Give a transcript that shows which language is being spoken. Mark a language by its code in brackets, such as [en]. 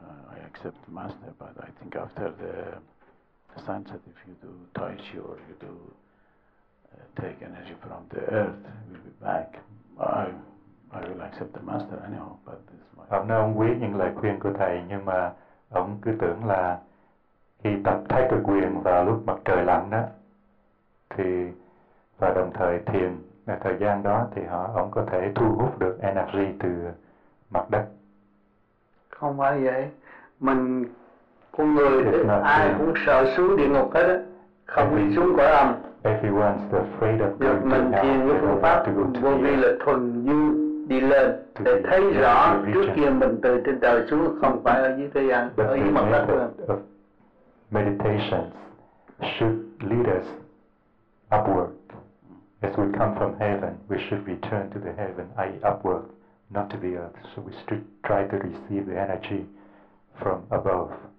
[en] I accept the master, but I think after the sunset, if you do Tai Chi or you do take energy from the earth, we'll be back. I will accept the master anyhow, but this might... [vi] Ông nói ông quý những lời khuyên của thầy, nhưng mà ông cứ tưởng là khi tập thái cực quyền vào lúc mặt trời lặn đó, thì và đồng thời thiền thời gian đó thì ông có thể thu hút được energy từ mặt đất. Không phải vậy. Mình, con người ai cũng sợ xuống địa ngục hết á, không đi xuống cõi âm. [en] Everyone's afraid of going to [vi] mình thiền với phương pháp vô vi là thuần như đi lên để thấy rõ trước kia mình từ trên trời xuống không phải ở dưới thế gian, ở dưới mặt đất. [en] Meditations should lead us upward. As we come from heaven, we should return to the heaven, i.e. upward, not to the earth. So we try to receive the energy from above.